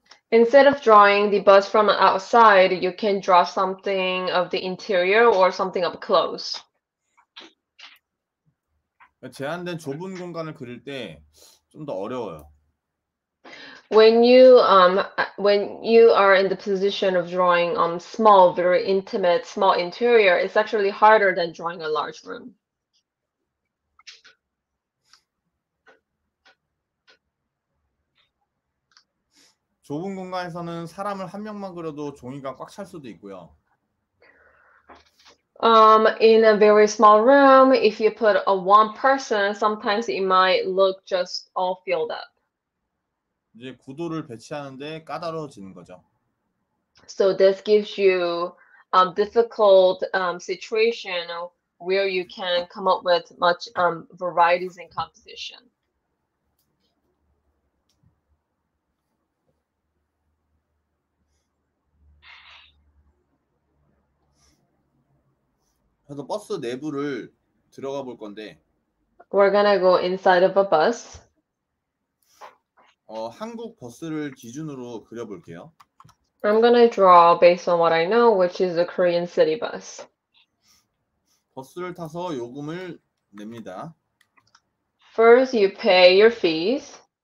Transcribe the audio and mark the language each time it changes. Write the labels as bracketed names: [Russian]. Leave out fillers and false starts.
[English] Instead of drawing the bus from outside, you can draw something of the interior or something up close. [Korean] 제한된 좁은 공간을 그릴 때 좀 더 어려워요. [English] When you are in the position of drawing small, very intimate, small interior, it's actually harder than drawing a large room. [Korean] 좁은 공간에서는 사람을 한 명만 그려도 종이가 꽉 찰 수도 있고요. [English] In a very small room, if you put a one person, sometimes it might look just all filled up. [Korean] 이제 구도를 배치하는데 까다로워지는 거죠. [English] So this gives you a difficult situation where you can come up with much varieties in composition. [Korean] 그래서 버스 내부를 들어가 볼 건데. [English] We're gonna go inside of a bus. [Korean] 한국 버스를 기준으로 그려볼게요. [English] I'm gonna draw based on what I know, which is a Korean city bus. [Korean] 버스를 타서 요금을 냅니다. [English] First, you pay your fees.